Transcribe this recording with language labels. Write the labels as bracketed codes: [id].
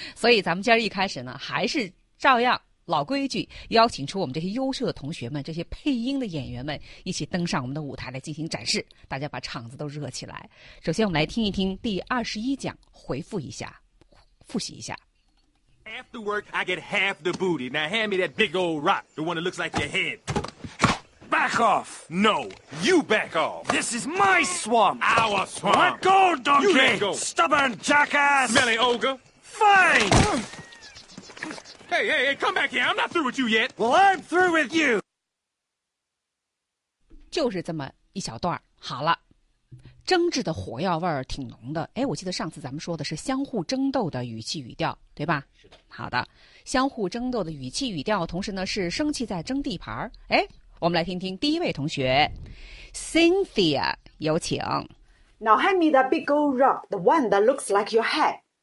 [zh] 所以咱们今儿一开始呢还是照样老规矩，邀请出我们这些优秀的同学们，这些配音的演员们一起登上我们的舞台来进行展示，大家把场子都热起来。首先我们来听一听第21讲，回复一下，复习一下。 [en] After work I get half the booty. Now hand me that big old rock, the one that looks like your head. Back off. No, you back off. This is my swamp. Our swamp. Let go, donkey. You let go. Stubborn jackass. Smelly ogre. Fine. Hey, hey, hey, come back here. I'm not through with you yet. Well, I'm through with you. [zh] 就是这么一小段，好了，争执的火药味儿挺浓的。哎，我记得上次咱们说的是相互争斗的语气语调，对吧？是的。好的，相互争斗的语气语调，同时呢是生气在争地盘。哎，我们来听听第一位同学 Cynthia， 有请。 [en] Now hand me that big old rock, the one that looks like your head.